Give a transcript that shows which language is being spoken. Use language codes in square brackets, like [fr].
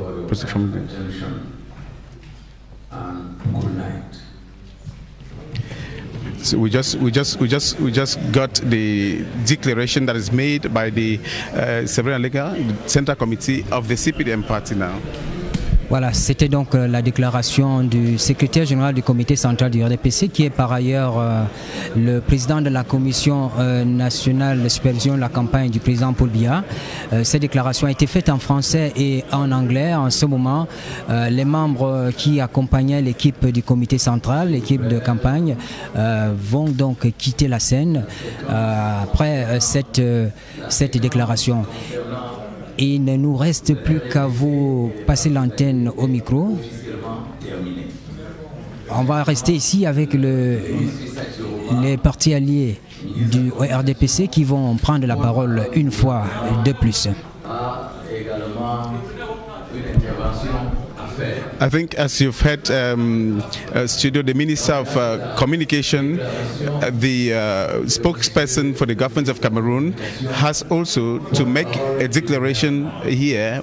[en] proceed from the good night. So we just got the declaration that is made by the Sovereign Legal Central Committee of the CPDM Party now. [fr] Voilà, c'était donc la déclaration du secrétaire général du comité central du RDPC qui est par ailleurs le président de la commission nationale de supervision de la campagne du président Paul Biya. Cette déclaration a été faite en français et en anglais. En ce moment, les membres qui accompagnaient l'équipe du comité central, l'équipe de campagne, vont donc quitter la scène après cette déclaration. Il ne nous reste plus qu'à vous passer l'antenne au micro. On va rester ici avec les partis alliés du RDPC qui vont prendre la parole une fois de plus. [en] I think, as you've heard, studio, the Minister of Communication, the spokesperson for the government of Cameroon, has also to make a declaration here.